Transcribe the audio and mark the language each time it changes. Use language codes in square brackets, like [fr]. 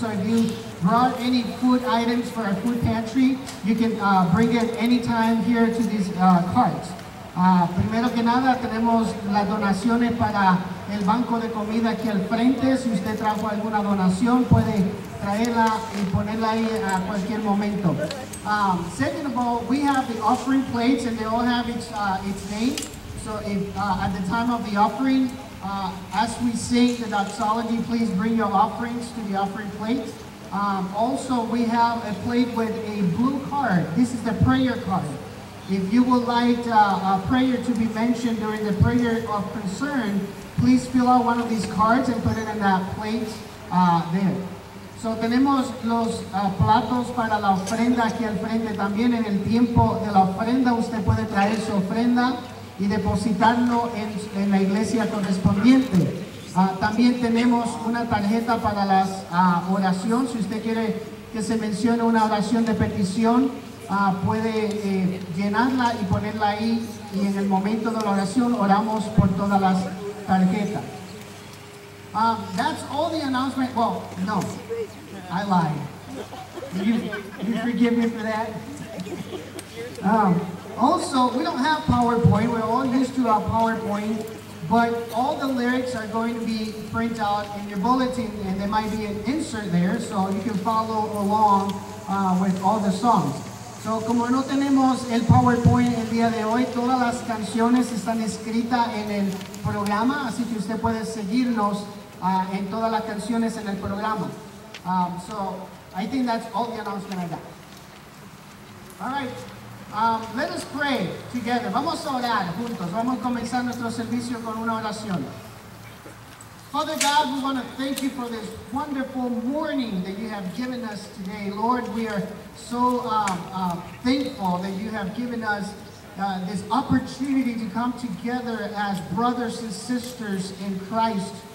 [en] So if you brought any food items for our food pantry, you can bring it anytime here to these carts. [es] Primero que nada, tenemos las donaciones para el banco de comida aquí al frente. Si usted trajo alguna donación, puede traerla y ponerla ahí a cualquier momento. [en] Second of all, we have the offering plates, and they all have its name. So if, at the time of the offering, as we sing the doxology, please bring your offerings to the offering plate. Also, we have a plate with a blue card. This is the prayer card. If you would like a prayer to be mentioned during the prayer of concern, please fill out one of these cards and put it in that plate there. [es] So tenemos los platos para la ofrenda aquí al frente también. En el tiempo de la ofrenda, usted puede traer su ofrenda y depositarlo en la iglesia correspondiente. También tenemos una tarjeta para las oración. Si usted quiere que se mencione una oración de petición, puede llenarla y ponerla ahí, y en el momento de la oración oramos por todas las tarjetas. [en] That's all the announcement. Well, no, I lied. You forgive me for that? Also, we don't have PowerPoint. We're all used to our PowerPoint, but all the lyrics are going to be printed out in your bulletin, and there might be an insert there, so you can follow along with all the songs. [es] So, como no tenemos el PowerPoint el día de hoy, todas las canciones están escritas en el programa, así que usted puede seguirnos en todas las canciones en el programa. [en] So, I think that's all the announcement I got. All right, let us pray together. [es] Vamos a orar juntos. Vamos a comenzar nuestro servicio con una oración. [en] Father God, we want to thank you for this wonderful morning that you have given us today. Lord, we are so thankful that you have given us this opportunity to come together as brothers and sisters in Christ.